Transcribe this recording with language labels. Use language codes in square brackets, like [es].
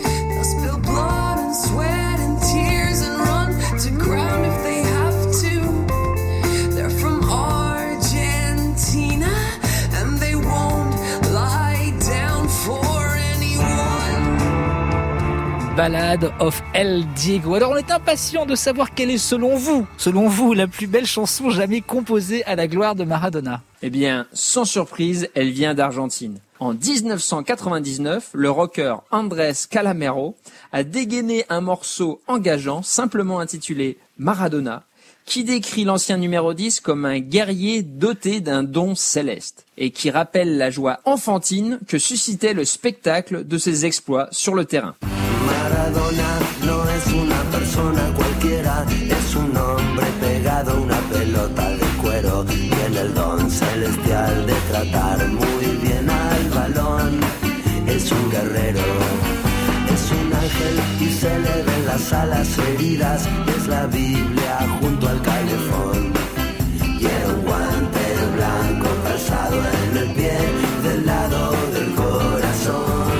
[en] They'll spill blood and sweat and tears and run to ground if they have to. They're from Argentina and they won't lie down for anyone. Ballade of El Diego. [fr] Alors, on est impatients de savoir quelle est, selon vous, la plus belle chanson jamais composée à la gloire de Maradona. Eh bien, sans surprise, elle vient d'Argentine. En 1999, le rocker Andrés Calamaro a dégainé un morceau engageant, simplement intitulé Maradona, qui décrit l'ancien numéro 10 comme un guerrier doté d'un don céleste et qui rappelle la joie enfantine que suscitait le spectacle de ses exploits sur le terrain. [es] Maradona no es una persona cualquiera, es un hombre pegado a una pelota de cuero, tiene el don celestial de tratar muy bien al balón, es un guerrero, es un ángel y se le ven las alas heridas, es la Biblia junto al calefón, y el guante blanco calzado en el pie del lado del corazón.